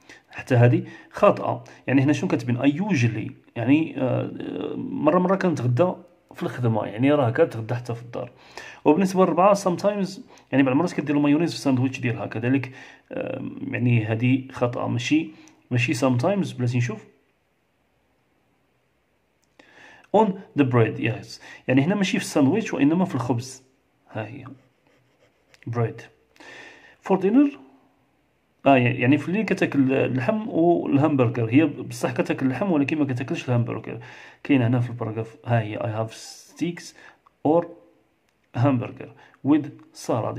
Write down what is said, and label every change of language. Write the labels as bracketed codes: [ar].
[ar] حتى هذه خاطئة. يعني هنا شنو كتبين؟ اي يوجلي، يعني مرة كنتغدى في الخدمة، يعني راه كتغدى حتى في الدار. وبالنسبة للرابعة sometimes، يعني بعض المرات كدير المايونيز في الساندويتش ديالها كذلك، يعني هذه خاطئة، ماشي sometimes. بلاتي نشوف [en] on the bread. [ar] yes، يعني هنا ماشي في الساندويتش وإنما في الخبز. ها هي [en] bread for dinner. [ar] يعني في الليل كتاكل اللحم والهامبرغر. هي بصح كتاكل اللحم ولكن ما كتاكلش الهامبرغر. كاين هنا في الباراجراف، ها هي [en] I have steaks or hamburger with salad.